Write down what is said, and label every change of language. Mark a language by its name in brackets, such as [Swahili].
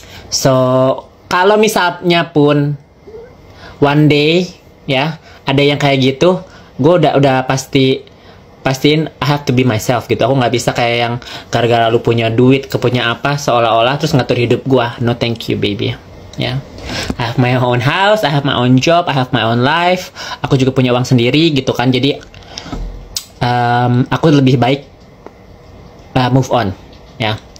[Indonesian] So kalau misalnya pun [English] one day [Indonesian] ya ada yang kayak gitu, gue udah pastiin [English] I have to be myself [Indonesian] gitu. Aku nggak bisa kayak yang gara-gara lu punya duit, kepunya apa, seolah-olah terus ngatur hidup gue. [English] No thank you baby. Ya, yeah. I have my own house, I have my own job, I have my own life. [Indonesian] Aku juga punya uang sendiri gitu kan. Jadi aku lebih baik move on. Ya, yeah.